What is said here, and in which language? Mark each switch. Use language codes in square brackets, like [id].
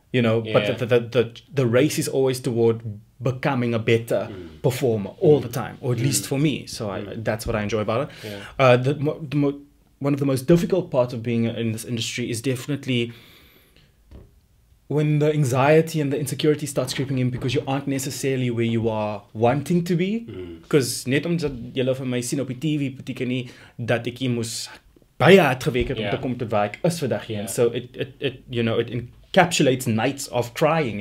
[en] You know, but the race is always toward becoming a better performer all the time, or at least for me. So that's what I enjoy about it. Yeah. One of the most difficult parts of being in this industry is definitely when the anxiety and the insecurity starts creeping in because you aren't necessarily where you are wanting to be. [af] Because net omdat jy hulle vir my sien op die TV beteken nie dat ek hier moes baie hard gewerk het om te kom tot waar ek is vandag hier. [en] So it you know, it encapsulates nights of crying.